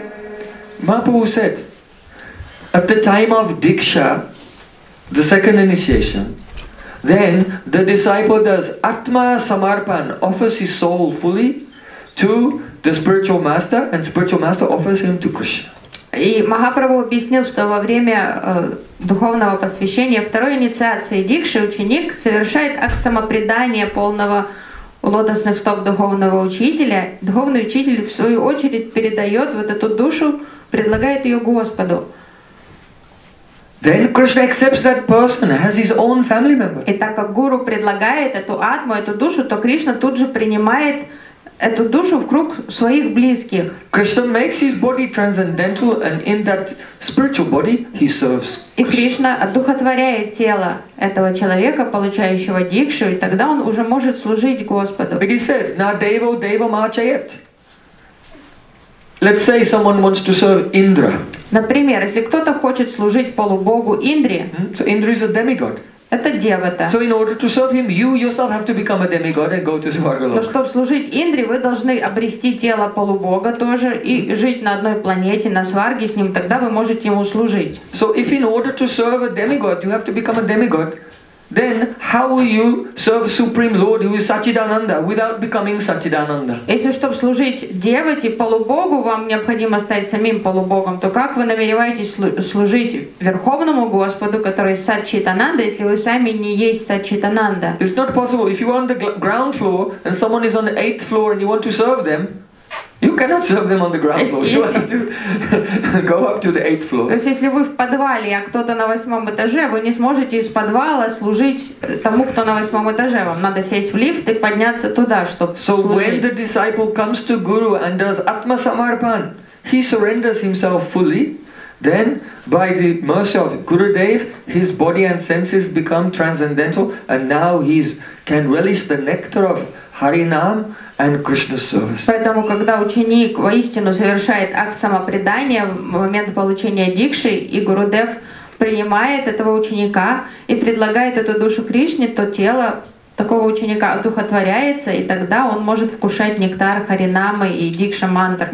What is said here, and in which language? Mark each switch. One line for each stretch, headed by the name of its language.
English: Mahaprabhu said, at the time of Diksha, the second initiation, then the disciple does atma samarpan, offers his soul fully to the spiritual master, and spiritual master offers him to Krishna.
Russian: И Махапрабху объяснил, что во время духовного посвящения, второй инициации дикши, ученик совершает акт самопредания полного лотосных стоп духовного учителя. Духовный учитель в свою очередь передает вот эту душу, предлагает ее Господу.
English: Then Krishna accepts that person as his own family member.
Russian: И так как гуру предлагает эту атму, эту душу, то Кришна тут же принимает эту душу в круг своих близких.
English: Krishna makes his body transcendental, and in that spiritual body he serves.
Russian: И Кришна одухотворяет тело этого человека, получающего дикшу, и тогда он уже может служить Господу.
English: But he says, "Na devo deva machayat." Let's say someone wants to serve Indra.
Russian: Например, если кто-то хочет служить полубогу Индре.
English: So Indra is a demigod.
Russian: Это девата.
English: So in order to serve him, you yourself have to become a demigod and go to Swargalok.
Russian: Но чтобы служить Индре, вы должны обрести тело полубога тоже и жить на одной планете, на Сварге с ним, тогда вы можете ему служить.
English: So if in order to serve a demigod, you have to become a demigod, then how will you serve Supreme Lord who is Satchidananda without becoming Satchidananda?
Russian: Если чтобы служить девате, полубогу, вам необходимо стать самим полубогом, то как вы намереваетесь служить Верховному Господу, который Сатчитананда, если вы сами не есть Сатчитананда?
English: It's not possible. If you are on the ground floor and someone is on the 8th floor and you want to serve them, you cannot serve them on the ground floor. You have to go up to the 8th floor.
Russian: То есть если вы в подвале, а кто-то на восьмом этаже, вы не сможете из подвала служить тому, кто на восьмом этаже. Вам надо сесть в лифт и подняться туда, чтобы
English: so
Russian: служить.
English: So when the disciple comes to Guru and does Atma Samarpan, he surrenders himself fully. Then, by the mercy of Gurudev, his body and senses become transcendental, and now he can relish the nectar of Харинам and Krishna's service.
Russian: Поэтому, когда ученик воистину совершает акт самопредания в момент получения дикши, и Гурудев принимает этого ученика и предлагает эту душу Кришне, то тело такого ученика одухотворяется, и тогда он может вкушать нектар Харинамы и дикша мантр.